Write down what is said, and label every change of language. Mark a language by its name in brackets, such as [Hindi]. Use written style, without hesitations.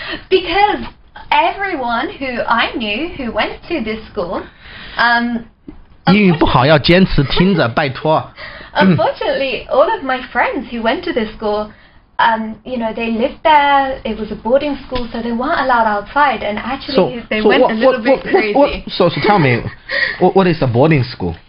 [English] because everyone who I knew who went to this school, [Chinese] 英语不好要坚持听着, 拜托。 [English] Unfortunately, all of my friends who went to this school, you know, they lived there, it was a boarding school, so they weren't allowed outside, and actually they went a little bit crazy. So tell me, what is a boarding school?